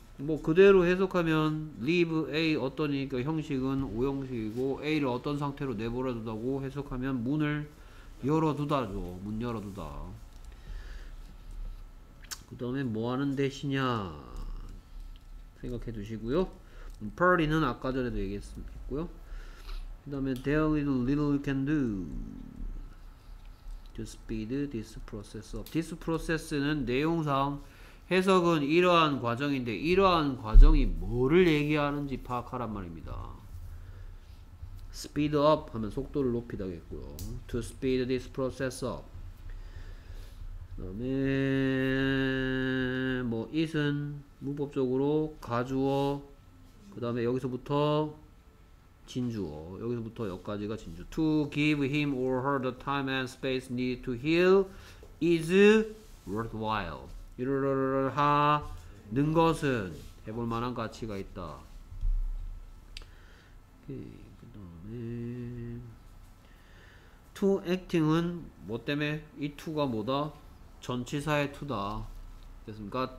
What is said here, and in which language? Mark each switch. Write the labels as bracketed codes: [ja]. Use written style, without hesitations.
[ko] 뭐 그대로 해석하면 leave a 어떤이니까 형식은 오형식이고 a를 어떤 상태로 내버려 두다고 해석하면 문을 열어두다죠. 문 열어두다. 그 다음에 뭐하는 대신이냐 생각해 두시고요. Party는 아까 전에도 얘기했고요. 그 다음에 [en] There is little you can do to speed this process up. [ko] This process는 내용상 해석은 이러한 과정인데 이러한 과정이 뭐를 얘기하는지 파악하란 말입니다. [en] Speed up [ko] 하면 속도를 높이다겠고요. [en] To speed this process up. [ko] 그 다음에 뭐 it은 문법적으로 가주어, 그 다음에 여기서부터 진주어, 여기서부터 여기까지가 진주. [en] To give him or her the time and space needed to heal is worthwhile. [ko] 이러러러 하는 것은 해볼 만한 가치가 있다. 오케이. 투 액팅은 뭐 때문에? 이 투가 뭐다? 전치사의 투다. 됐습니까?